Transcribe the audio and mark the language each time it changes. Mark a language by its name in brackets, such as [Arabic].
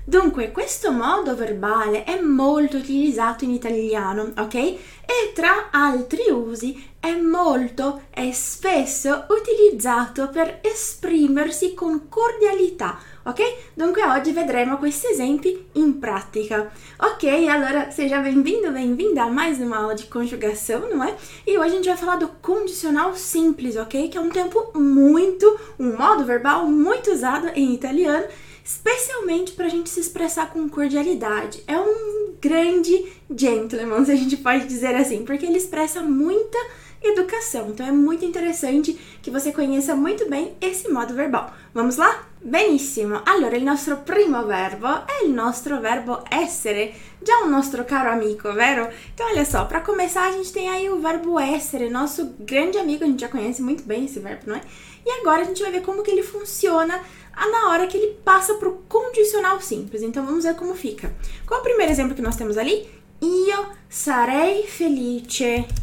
[Italian] Dunque, questo modo verbale è molto utilizzato in italiano, ok? E tra altri usi è molto e spesso utilizzato per esprimersi con cordialità, ok? Dunque oggi vedremo questi esempi in pratica. [Portuguese] Ok, allora, seja bem-vindo, bem-vinda a mais uma aula de conjugação, não é? E hoje a gente vai falar do condicional simples, ok? Que é um tempo muito, um modo verbal muito usado em italiano, especialmente para a gente se expressar com cordialidade. É um grande gentleman, se a gente pode dizer assim, porque ele expressa muita educação. Então é muito interessante que você conheça muito bem esse modo verbal. Vamos lá? Benissimo! [Italian] Allora, il nostro primo verbo è il nostro verbo essere, già un nostro caro amico, vero? [Portuguese] Então, olha só, para começar a gente tem aí o verbo essere, nosso grande amigo, a gente já conhece muito bem esse verbo, não é? E agora a gente vai ver como que ele funciona na hora que ele passa para o condicional simples. Então, vamos ver como fica. Qual o primeiro exemplo que nós temos ali? [Italian] Io sarei felice.